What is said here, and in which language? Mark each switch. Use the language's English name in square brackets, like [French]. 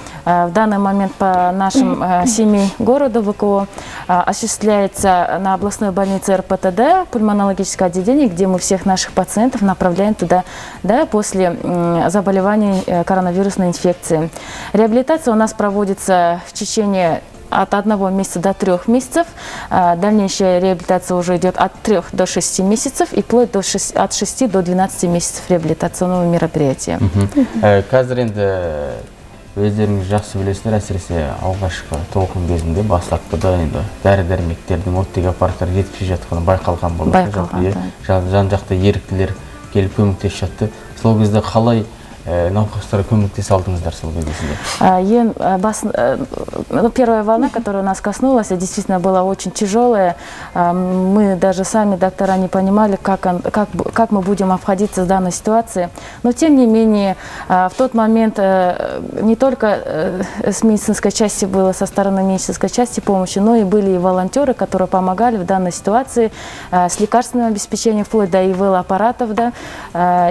[Russian] В данный момент по нашим семи городу ВКО осуществляется на областной больнице РПТД пульмонологическое отделение, где мы всех наших пациентов направляем туда, да, после заболеваний коронавирусной инфекцией. Реабилитация у нас проводится в течение от 1 месяца до 3 месяцев. Дальнейшая реабилитация уже идет от 3 до 6 месяцев и вплоть до 6, от 6 до 12 месяцев реабилитационного мероприятия. Казаринда. [Kazakh] Өздеріңіз жақсы білесіңдер, әсіресе алғашқы толқын кезінде бастапқыда енді дәрі-дәрмектердің оттегі аппараттар жетпей жатқаны байқалған болды. Байқалған, да. Жан жақты еріктілер келіп көмектесіп жатты. Сол кезде қалай науқастарға көмектесе алдыңыздар сол кезде? [Russian] Первая волна, которая нас коснулась, действительно была очень тяжелая. Мы даже сами доктора не понимали, как мы будем обходиться с данной ситуацией. Но тем не менее, в тот момент не только с медицинской части было, со стороны медицинской части помощи, но и были и волонтеры, которые помогали в данной ситуации с лекарственным обеспечением, вплоть до ИВЛ-аппаратов. Да.